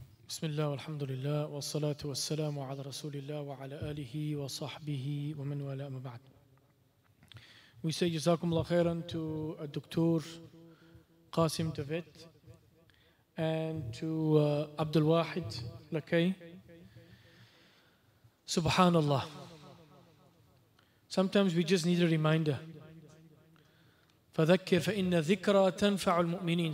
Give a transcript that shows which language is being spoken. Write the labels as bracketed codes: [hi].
[ar] بسم الله والحمد لله والصلاة والسلام على رسول الله وعلى آله وصحبه ومن والاه أما بعد. [en] We say [ar] جزاكم الله خيرا [en] to الدكتور قاسم تفيت and to عبد الواحد لكي. [ar] سبحان الله. [en] Sometimes we just need a reminder. [ar] فذكر فإن ذكرى تنفع المؤمنين.